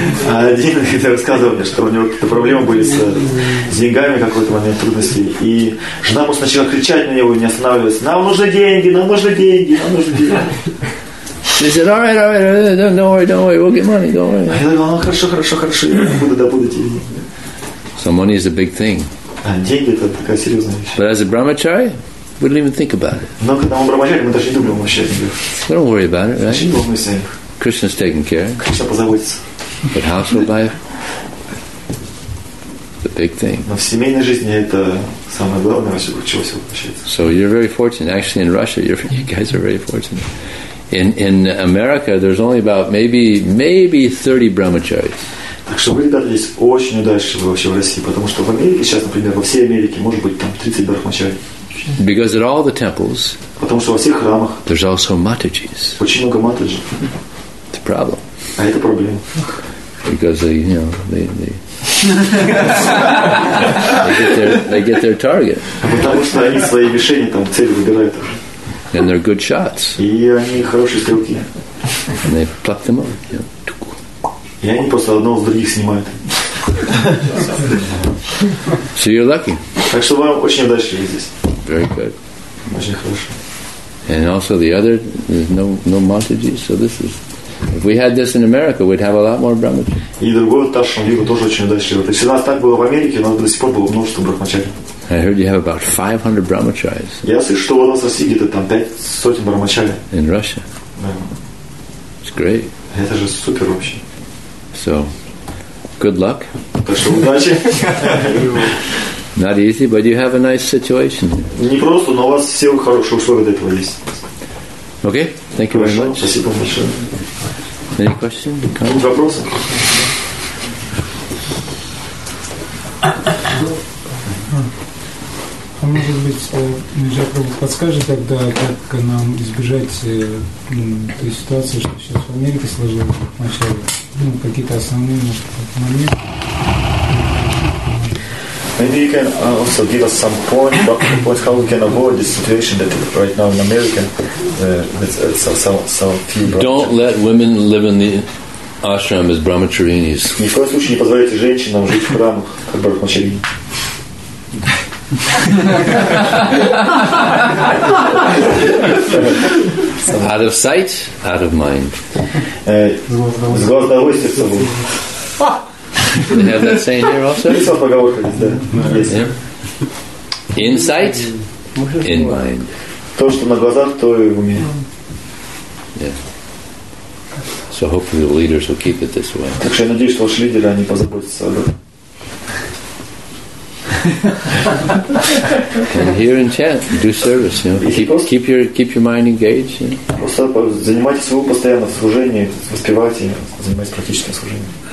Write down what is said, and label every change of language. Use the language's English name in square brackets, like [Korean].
[Russian] Один рассказывал мне, что у него какие-то проблемы были с деньгами в какой-то момент, трудности. И жена просто начала кричать на него и не останавливалась. Нам нужны деньги, нам нужны деньги, нам нужны деньги. [English] He said, all right, don't worry, we'll get money, don't worry. [Russian] А я говорю, хорошо, я добуду деньги. [English] So money is a big thing. But as a brahmachari, we don't even think about it. We don't worry about it, right? Krishna's taking care. But household life, the big thing. So you're very fortunate. Actually, in Russia, you guys are very fortunate. In America, there's only about maybe 30 brahmacharis. [Russian] Так что вы, ребята, здесь очень удачливы вообще в России, потому что в Америке сейчас, например, во всей Америке может быть там 30 брахмачари. [English] Because at all the temples, [Russian] потому что во всех храмах, [English] there's also матаджис. [Russian] Очень много матаджи. [English] It's a problem. [Russian] А это проблема. [English] Because they get their target. [Russian] Потому что они свои мишени там цели выбирают. [English] And they're good shots. [Russian] И они хорошие стрелки. [English] And they pluck them up. Yeah. [Russian] И они просто одно с других снимают. [English] So you're lucky. [Russian] Так что вам очень удачливо здесь. [English] Very good. [Russian] Очень хорошо. [English] And also the other, there's no Mataji, so this is... If we had this in America, we'd have a lot more Brahmachari. [Russian] И другой Ташан Вива тоже очень удачливо. То есть если у нас так было в Америке, у нас до сих пор было множество Брахмачари. [English] I heard you have about 500 Brahmacharis. [Russian] Я слышал, что у нас в России где-то там 500 Брахмачари. [English] In Russia. [Russian] Да. [English] It's great. [Russian] Это же супер вообще. [English] So, good luck. Not easy, but you have a nice situation. [Russian] Не просто, но у вас все хорошие условия для этого есть. [English] Okay, thank you [Russian] Хорошо. [English] Very much. [Russian] Спасибо большое. [English] Any questions? Any [Russian] вопросы? А может быть, Ниджа Прабху подскажет тогда, как нам избежать той ситуации, что сейчас в Америке сложилось вначале? Ну, какие-то основные, может, моменты? [English] Maybe you can also give us some points how we can avoid the situation that right now in America so few brahmacharis. Don't let women live in the ashram as brahmacharinis. [Russian] Ни в коем случае не позволяйте женщинам жить в храмах как брахмачарини. [English] Out of sight, out of mind. They have that saying here also? Yeah. In sight, in mind. [Russian] То, что на глазах, то и в уме. [English] Yeah. So hopefully the leaders will keep it this way. [Russian] Так что я надеюсь, что ваши лидеры, они позаботятся об этом. [English] And here in chant, do service, you know. Keep your mind engaged. [Russian] Занимайтесь своего постоянно служение, воспевайте, занимайтесь практическим служением.